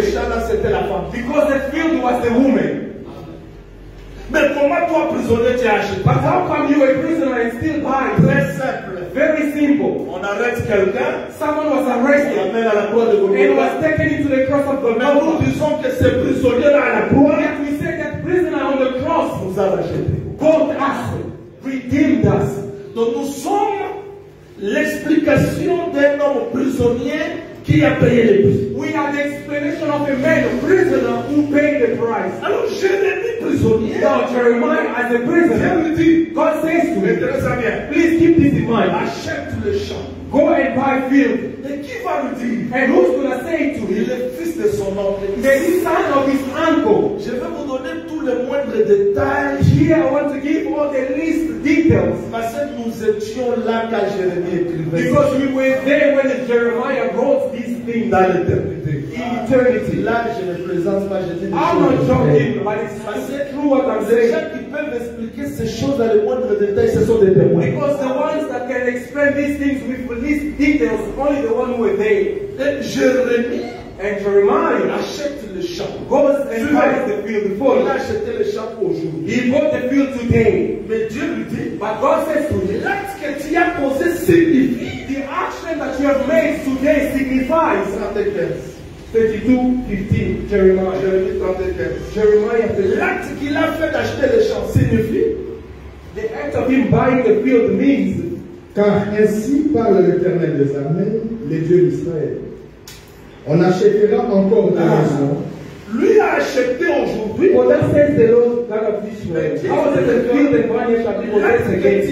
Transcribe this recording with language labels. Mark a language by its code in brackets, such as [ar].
[fr] Le champ là, c'était la femme. [en] Because the field was the woman. [fr] Mais comment toi prisonnier tu as acheté? [en] But how come you a prisoner and still buy? [fr] Très simple. [en] Very simple. [fr] On arrête quelqu'un. [en] Someone was arrested. [fr] On l'amène à la croix de [en] Golgotha. And was taken into the cross of Golgotha. [fr] Mais nous disons que ce prisonnier là à la croix. [en] Yet we say that prisoner on the cross. [fr] Vous a acheté. [en] God has redeemed us. [fr] Donc nous sommes l'explication d'un homme prisonnier qui a payé le prix. [en] We are the explanation of a man, a prisoner, who paid the price. [fr] Alors Jérémie prisonnier. prisonnier. [en] Now Jeremiah as a prisoner. God says to him, please keep this in mind. [fr] Achète le champ. [en] Go and buy field. [fr] Et qui va le dire? [en] And who's going to say it to him? [fr] Le fils de son oncle. [en] The son of his uncle. [fr] Je vais vous donner tous les moindres détails. [en] Here I want to give all the least details. [fr] Parce que nous étions là quand Jérémie écrivait. [en] Because we were there when Jeremiah wrote this thing. [fr] Dans l'éternité. [en] In eternity. [fr] Là, je ne présente pas. [en] I'm not joking, but it's true what I'm saying. [fr] Ceux qui peuvent expliquer ces choses dans les moindres détails, ce sont des témoins. [en] Because the ones that can explain these things with least details, only the one who were there. Then Jérémie. And Jeremiah [fr] achète le champ. [en] Goes and buys the field before. [fr] Il a acheté le champ aujourd'hui. [en] He bought the field today. [fr] Mais Dieu lui dit. [en] But God says to him, [fr] l'acte que tu as posé signifie. [en] The action that you have made today signifies. 32:15. Jeremiah. [fr] L'acte qu'il a fait d'acheter le champ signifie. [en] The act of him buying the field means. [fr] Car ainsi parle l'Éternel des armées, le Dieu d'Israël. On achètera encore des maisons. Lui a acheté aujourd'hui. [en] Well, that says the Lord God of Israel. How does the field and vineyard shall be possessed again?